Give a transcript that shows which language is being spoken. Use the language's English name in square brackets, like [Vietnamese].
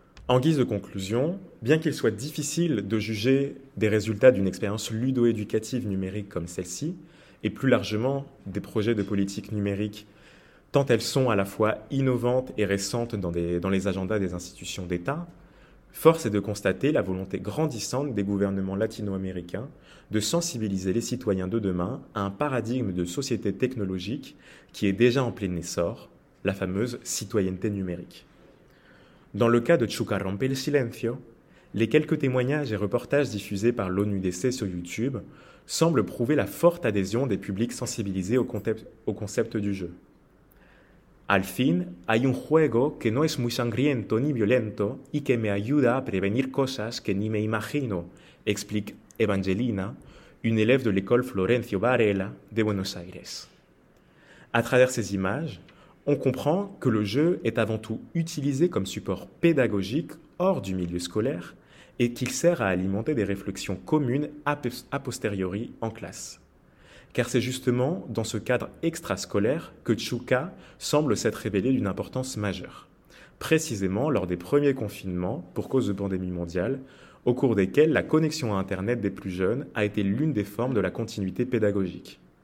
[French] En guise de conclusion, bien qu'il soit difficile de juger des résultats d'une expérience ludo-éducative numérique comme celle-ci, et plus largement des projets de politique numérique, tant elles sont à la fois innovantes et récentes dans les agendas des institutions d'État, force est de constater la volonté grandissante des gouvernements latino-américains de sensibiliser les citoyens de demain à un paradigme de société technologique qui est déjà en plein essor, la fameuse citoyenneté numérique. Dans le cas de Chuka rompe el silencio, les quelques témoignages et reportages diffusés par l'ONUDC sur YouTube semblent prouver la forte adhésion des publics sensibilisés au concept du jeu. [Spanish] Al fin, hay un juego que no es muy sangriento ni violento y que me ayuda a prevenir cosas que ni me imagino, [French] explique Evangelina, une élève de l'école Florencio Varela de Buenos Aires. À travers ces images, on comprend que le jeu est avant tout utilisé comme support pédagogique hors du milieu scolaire et qu'il sert à alimenter des réflexions communes a posteriori en classe. Car c'est justement dans ce cadre extrascolaire que Chuka semble s'être révélé d'une importance majeure, précisément lors des premiers confinements pour cause de pandémie mondiale, au cours desquels la connexion à Internet des plus jeunes a été l'une des formes de la continuité pédagogique.